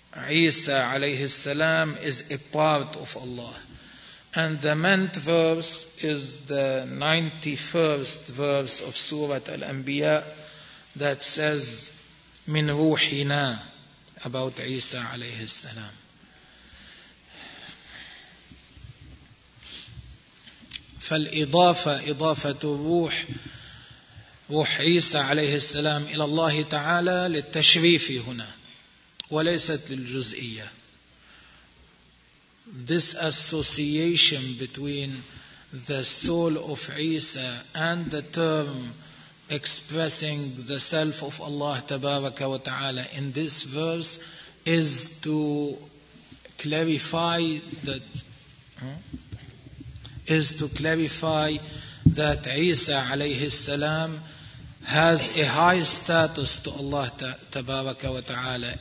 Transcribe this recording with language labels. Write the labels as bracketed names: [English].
[English] Isa alayhi salam is a part of Allah. And the meant verse is the 91st verse of Surah Al-Anbiya that says, Min ruhina, about Isa alayhi salam. [Arabic] فالإضافة إضافة الروح روح عيسى عليه السلام إلى الله تعالى للتشريف هنا وليست للجزئية. [English] This association between the soul of Isa and the term expressing the self of Allah تبارك وتعالى in this verse is to clarify that is to clarify that Isa alayhi salam has a high status to Allah tabaraka wa ta'ala.